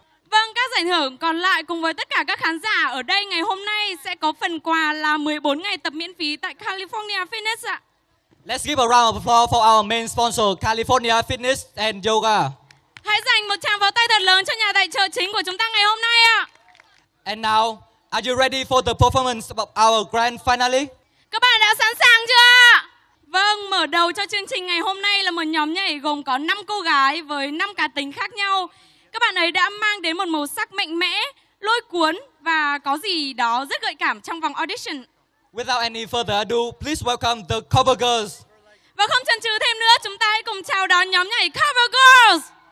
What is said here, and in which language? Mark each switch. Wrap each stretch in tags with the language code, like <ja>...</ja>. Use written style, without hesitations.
<vi>Vâng, các giải thưởng còn lại cùng với tất cả các khán giả ở đây ngày hôm nay sẽ có phần quà là 14 ngày tập miễn phí tại California Fitness ạ.</vi> <en>Let's give a round of applause for our main sponsor, California Fitness and Yoga.</en> <vi>Hãy dành một tràng pháo tay thật lớn cho nhà tài trợ chính của chúng ta ngày hôm nay ạ.</vi> <en>And now, are you ready for the performance of our grand finale?</en> <vi>Các bạn đã sẵn sàng chưa? Vâng, mở đầu cho chương trình ngày hôm nay là một nhóm nhảy gồm có 5 cô gái với 5 cá tính khác nhau. Các bạn ấy đã mang đến một màu sắc mạnh mẽ, lôi cuốn và có gì đó rất gợi cảm trong vòng audition.</vi> <en>Without any further ado, please welcome the cover girls.</en> <vi>Và không chần chừ thêm nữa, chúng ta hãy cùng chào đón nhóm nhảy cover girls.</vi>